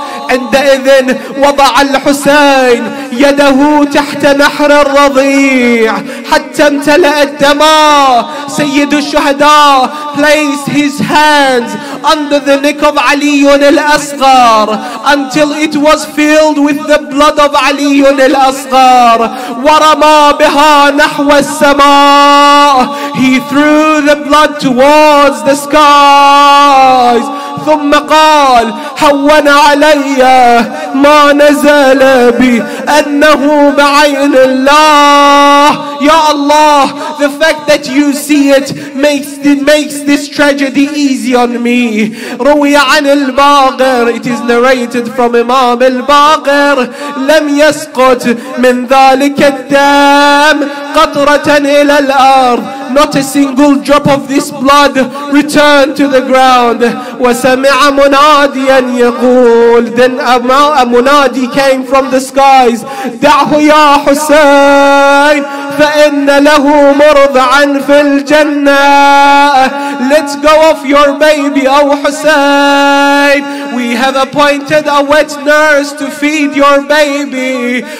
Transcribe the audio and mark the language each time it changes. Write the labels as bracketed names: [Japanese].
[Arabic] عندئذ وضع الحسين يده تحت نحر الرضيع حتى امتلأت دماء. [English] سيد الشهداء placed his hands under the neck of علي الأصغر until it was filled with the blood of علي الأصغر [Arabic] ورمى بها نحو السماء. [English] He threw the blood towards the skies. [Arabic] ثم قال هون علي ما نزل بي أنه بعين الله. [English] يا الله, the fact that you see it makes this tragedy easy on me. [Arabic] روي عن الباقر, [English] it is narrated from Imam الباقر, [Arabic] لم يسقط من ذلك الدم قطرة إلى الأرض. [English] Not a single drop of this blood returned to the ground. [Arabic] وسمع مناديا يقول. [English] Then a munadi came from the skies. [Arabic] دعه يا حسين فإن له مرضعا في الجنة. [English] Let go of your baby, oh Hussein. We have appointed a wet nurse to feed your baby.